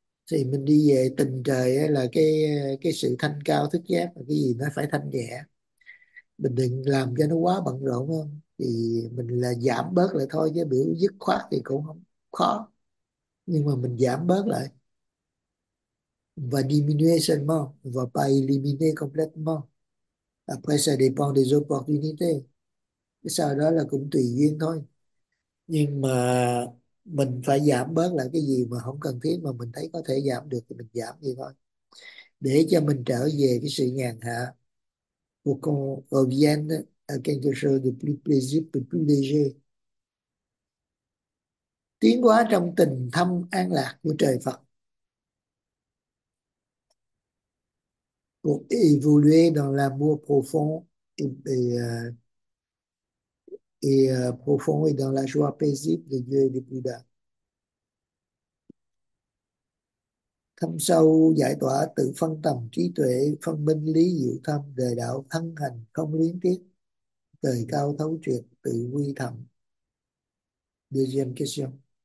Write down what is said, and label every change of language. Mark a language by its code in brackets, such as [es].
[vi] Thì mình đi về tình trời là cái sự thanh cao thức giác, là cái gì nó phải thanh nhẹ. Mình đừng làm cho nó quá bận rộn không, thì mình là giảm bớt lại thôi, chứ biểu dứt khoát thì cũng không khó. Nhưng mà mình giảm bớt lại. Và [fr] diminuer seulement, và pas éliminer complètement. Après ça dépend des opportunités. [vi] Sau đó là cũng tùy duyên thôi. Nhưng mà mình phải giảm bớt lại cái gì mà không cần thiết, mà mình thấy có thể giảm được thì mình giảm gì thôi. Để cho mình trở về cái sự nhàn hạ. [fr] Pour qu'on revienne à quelque chose de plus plaisir, de plus léger. [vi] Tiến hóa trong tình thâm an lạc của trời Phật. [fr] Pour évoluer dans l'amour profond et profond et dans la joie paisible de Dieu et de Bouddha. [vi] Thâm sâu giải tỏa tự phân tầm trí tuệ, phân minh lý diệu thâm, đời đạo thân hành không luyến tiếc, trời cao thấu triệt tự quy thầm. [fr] Deuxième question.